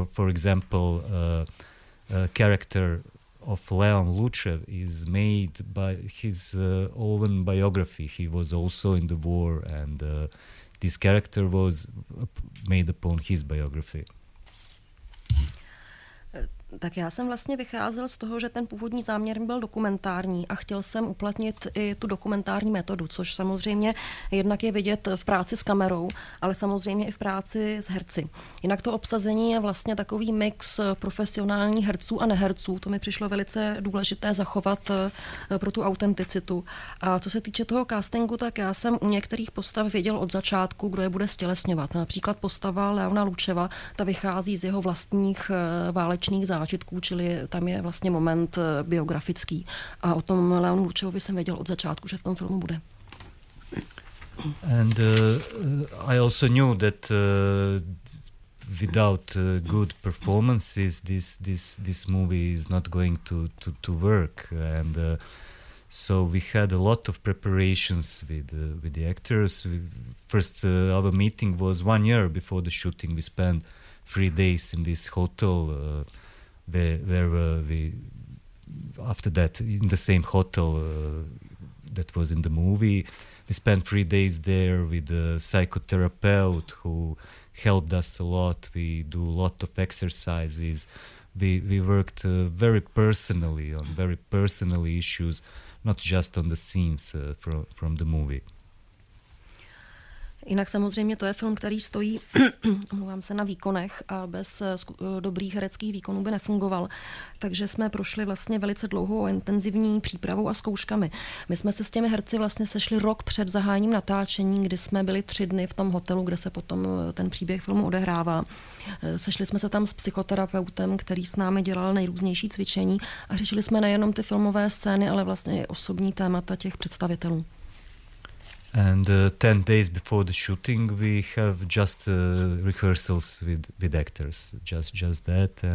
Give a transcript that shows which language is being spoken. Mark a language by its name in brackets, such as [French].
[English] For example, a character of Leon Lutschev is made by his own biography. He was also in the war, and this character was made upon his biography. [Czech] Tak já jsem vlastně vycházel z toho, že ten původní záměr byl dokumentární a chtěl jsem uplatnit i tu dokumentární metodu, což samozřejmě jednak je vidět v práci s kamerou, ale samozřejmě i v práci s herci. Jinak to obsazení je vlastně takový mix profesionálních herců a neherců. To mi přišlo velice důležité zachovat pro tu autenticitu. A co se týče toho castingu, tak já jsem u některých postav věděl od začátku, kdo je bude stělesňovat. Například postava Leona Lutschewa, ta vychází z jeho vlastních válečných zážitků, čili tam je vlastně moment biografický. A o tom Leonu Lutschewovi jsem věděl od začátku, že v tom filmu bude. [English] And I also knew that without good performances this movie is not going to work. And so we had a lot of preparations with the actors. First our meeting was 1 year before the shooting. We spent 3 days in this hotel where we after that in the same hotel that was in the movie. We spent 3 days there with a psychotherapist who helped us a lot. We do a lot of exercises. We worked very personally on very personal issues, not just on the scenes from the movie. [Czech] Jinak samozřejmě to je film, který stojí, mluvám se, na výkonech a bez dobrých hereckých výkonů by nefungoval. Takže jsme prošli vlastně velice dlouhou intenzivní přípravou a zkouškami. My jsme se s těmi herci vlastně sešli rok před zahájením natáčení, kdy jsme byli 3 dny v tom hotelu, kde se potom ten příběh filmu odehrává. Sešli jsme se tam s psychoterapeutem, který s námi dělal nejrůznější cvičení a řešili jsme nejenom ty filmové scény, ale vlastně i osobní témata těch představitelů. [English] And 10 days before the shooting, we have just rehearsals with actors, just that.